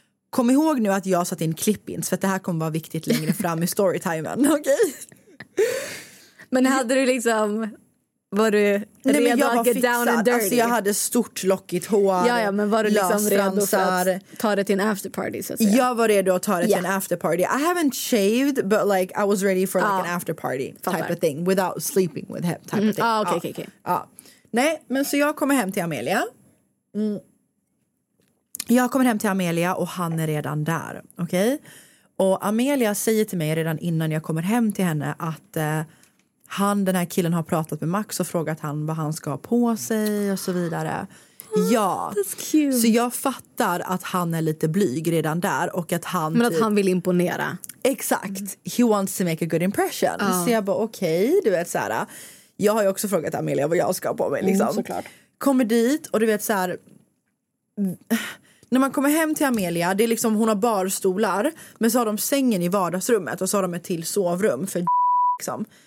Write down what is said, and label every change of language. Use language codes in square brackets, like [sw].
[sv] Kom ihåg nu att jag satt in clip-ins, för att det här kommer vara viktigt längre fram i storytimen, okej? Okay? Men hade du liksom, var du redo att get fixad. [en] Down and dirty? [sv] Alltså jag hade stort lockigt hår. Ja, men var du liksom redo för att ta det till en afterparty så att säga? Jag var redo att ta det till en afterparty. [en] I haven't shaved, but like I was ready for like an afterparty type of thing. Without sleeping with him type of thing. [sv] Nej, men så jag kommer hem till Amelia. Jag kommer hem till Amelia och han är redan där, okej? Okay? Och Amelia säger till mig redan innan jag kommer hem till henne att... den här killen har pratat med Max och frågat han vad han ska ha på sig och så vidare. Ja, [en] that's cute. [sv] Så jag fattar att han är lite blyg redan där. Och att han men att han vill imponera. [en] Exakt, he wants to make a good impression. [sv] Så jag bara, okej, du vet så här. Jag har ju också frågat Amelia vad jag ska ha på mig. Liksom. Såklart. Kommer dit och du vet så här. När man kommer hem till Amelia, det är liksom hon har barstolar. Men så har de sängen i vardagsrummet och så har de ett till sovrum för liksom.